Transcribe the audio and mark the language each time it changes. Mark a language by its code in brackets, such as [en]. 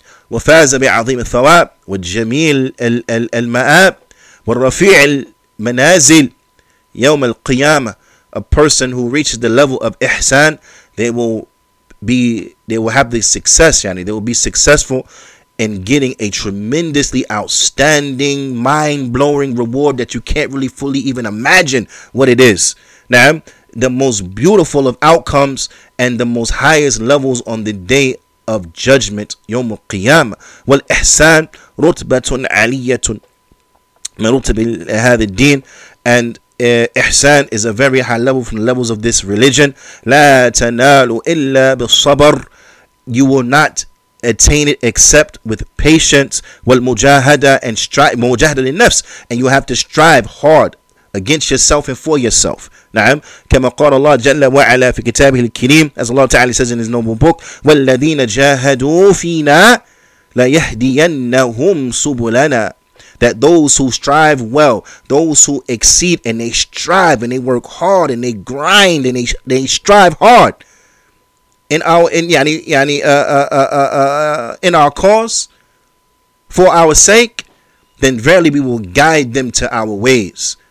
[ar] وفاز بعظيم الثواب والجميل المآب والرفيع المنازل يوم القيامة. [en] A person who reaches the level of ihsan, they will have the success, yani they will be successful in getting a tremendously outstanding, mind-blowing reward that you can't really fully even imagine what it is. Now, the most beautiful of outcomes and the most highest levels on the day of judgment, [ar] يوم القيامة. والإحسان رتبة عالية من رتب هذا الدين. [en] And ihsan is a very high level from the levels of this religion. [ar] لا تنالوا إلا بالصبر. [en] You will not attain it except with patience. [ar] والمجاهدة [en] and strive. [ar] مجاهدة للنفس. [en] And you have to strive hard against yourself and for yourself. [ar] نعم. كما قال الله جل وعلا في كتابه الكريم, [en] as Allah Ta'ala says in his noble book, [ar] والذين جاهدوا فينا ليهدينهم سبلنا. [en] That those who strive well, those who exceed and they strive and they work hard and they grind and they strive hard in our in our cause for our sake, then verily we will guide them to our ways.